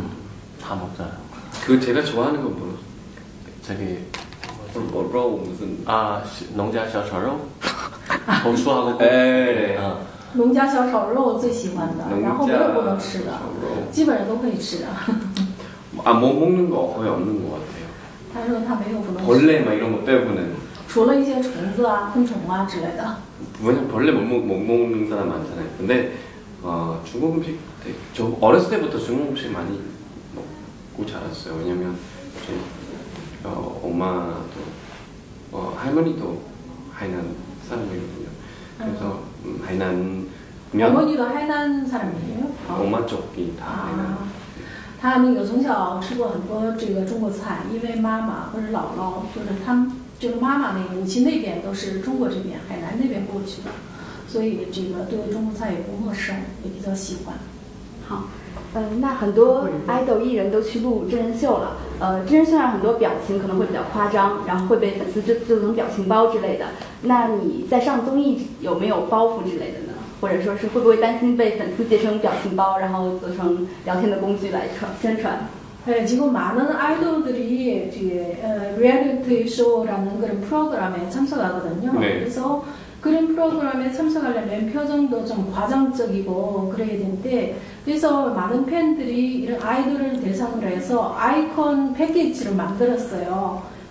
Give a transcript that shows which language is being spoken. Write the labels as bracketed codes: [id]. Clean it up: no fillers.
[ko] 좀다먹잖아요 그제가좋아하는건뭐 저기 뭐라고무슨 아농家小炒肉红薯하고 에이 [zh] 농家小炒肉最喜欢的然后没有不能吃的基本上都可以吃的 [ko] 아못먹는거거의없는것같아요 [zh] 他说他没有不能 [ko] 벌레막이런거빼고는 [zh] 除了一些虫子啊昆虫啊之类的 [ko] 왜냐벌레못먹는사람많잖아요근데중국음식되게저어렸을때부터중국음식많이먹고자랐어요왜냐면엄마도할머니도하이난사람이거든요그래서하이난면 어머니도하이난사람이에요 엄마쪽이다하이난 [zh] 他那个从小吃过很多这个中国菜，因为妈妈或者姥姥，就是他们这个妈妈那个母亲那边都是中国这边海南那边过去的，所以这个对中国菜也不陌生，也比较喜欢。好，那很多 idol 艺人都去录真人秀了，真人秀上很多表情可能会比较夸张，然后会被粉丝就能表情包之类的。那你在上综艺有没有包袱之类的呢？或者说是会不会担心被粉丝截成表情包，然后做成聊天的工具来宣传？ [ko] 지금 많은 아이돌들이 리얼리티 쇼라는 그런 프로그램에 참석하거든요. 네. 그래서 그런 프로그램에 참석하려면 표정도 좀 과장적이고 그래야 되는데, 그래서 많은 팬들이 이런 아이돌을 대상으로 해서 아이콘 패키지를 만들었어요.